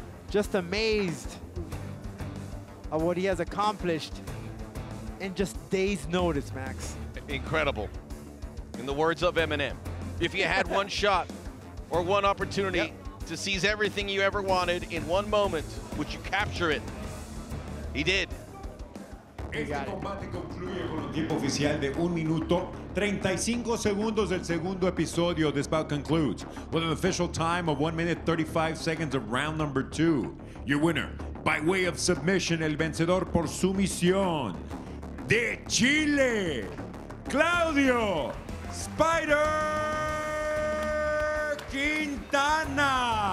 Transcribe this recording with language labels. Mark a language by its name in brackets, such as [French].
[English] Just amazed at what he has accomplished in just days' notice, Max. Incredible. In the words of Eminem, if you had one shot or one opportunity, yep, to seize everything you ever wanted in one moment, would you capture it? He did. [Spanish] Este combate concluye con un tiempo oficial de 1:35 del segundo episodio. [English] This bout concludes with an official time of 1:35 of round number 2. Your winner, by way of submission, [Spanish] el vencedor por sumisión, de Chile, [English] Claudio Spider Quintana.